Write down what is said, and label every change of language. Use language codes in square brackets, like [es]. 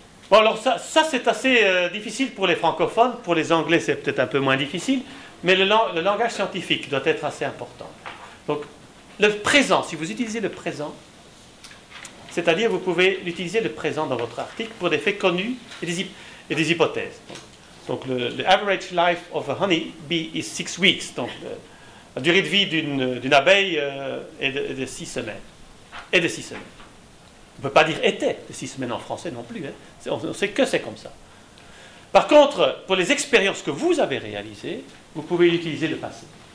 [fr] Bon, alors, ça c'est assez difficile pour les francophones. Pour les anglais, c'est peut-être un peu moins difficile. Mais le langage scientifique doit être assez important. Donc, le présent, si vous utilisez le présent, c'est-à-dire vous pouvez utiliser le présent dans votre article pour des faits connus et des hypothèses. Donc, le [en] average life of a honey bee is 6 weeks. [fr] Donc, la durée de vie d'une abeille est de 6 semaines. Et de 6 semaines. On ne peut pas dire « était » de 6 semaines en français non plus. Hein. On sait que c'est comme ça. Par contre, pour les expériences que vous avez réalisées, vous pouvez utiliser le passé.